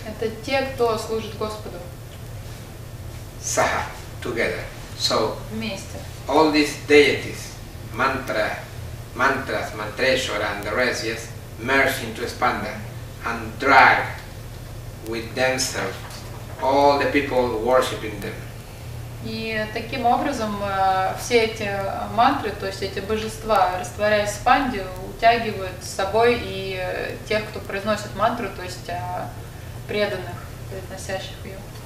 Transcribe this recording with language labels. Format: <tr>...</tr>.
<ru>Это те, кто служит Господу.</ru> <en>Saha, together. So.</en> <ru>Вместе.</ru> <en>All these deities, mantras, mantreshwara and the rest, yes, merge into Spanda and drag with themselves all the people worshipping them.</en> <ru>И таким образом все эти мантры, то есть эти божества, растворяясь в Спанде, утягивают с собой и тех, кто произносит мантру, то есть преданных, произносящих ее.</ru>